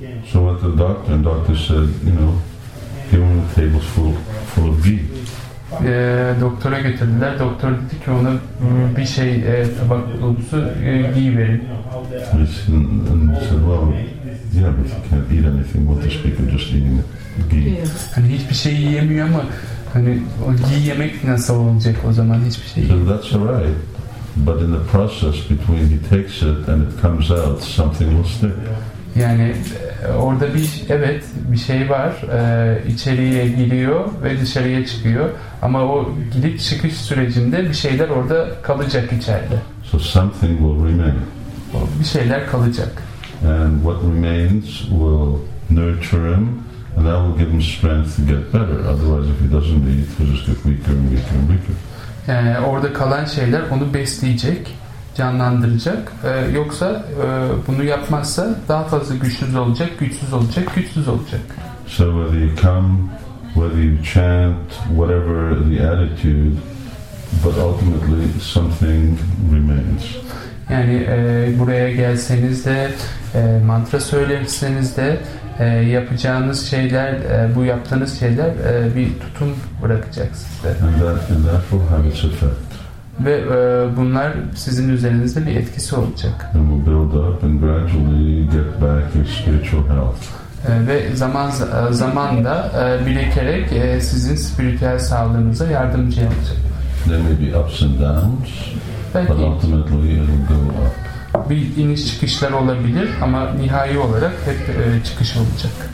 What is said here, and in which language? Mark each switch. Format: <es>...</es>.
<en>So went to the doctor, and the doctor said, you know, give him a table full of ghee.</en> <tr>Doktora götürdüler. Doktor dedi ki ona bir şey tabak dolusu ghee verin.</tr> <en>And he said, well, yeah, but he can't eat anything. What the speaker just eating the ghee.</en> <tr>Hani hiçbir şey yiyemiyor ama hani o ghee yemek nasıl olacak o zaman hiçbir şey.</tr> <en>So that's all right. But in the process between he takes it and it comes out, something will stick.</en> <tr>Yani orada bir evet bir şey var içeriye giriyor ve dışarıya çıkıyor ama o gidip çıkış sürecinde bir şeyler orada kalacak içeride.</tr> <en>So something will remain.</en> <tr>Bir şeyler kalacak.</tr> <en>And what remains will nurture him and that will give him strength to get better. Otherwise if he doesn't eat, he'll just get weaker and weaker and weaker.</en> <tr>Yani orada kalan şeyler onu besleyecek. Canlandıracak. Yoksa bunu yapmazsa daha fazla güçsüz olacak, güçsüz olacak, güçsüz olacak.</tr> <en>So whether you come, whether you chant, whatever the attitude, but ultimately something remains.</en> <tr>Yani buraya gelseniz de, mantra söylerseniz de, yapacağınız şeyler, bu yaptığınız şeyler bir tutum bırakacak size.</tr> <en>And that will have its effect.</en> <tr>Ve bunlar sizin üzerinizde bir etkisi olacak.</tr> <en>And we'll build up and gradually get back your spiritual health.</en> <tr>Ve zaman da birikerek sizin spiritüel sağlığınıza yardımcı olacak.</tr> <en>There may be ups and downs,</en> <tr>belki</tr> <en>but ultimately it will go up.</en> <tr>Bir iniş çıkışlar olabilir ama nihai olarak hep çıkış olacak.</tr>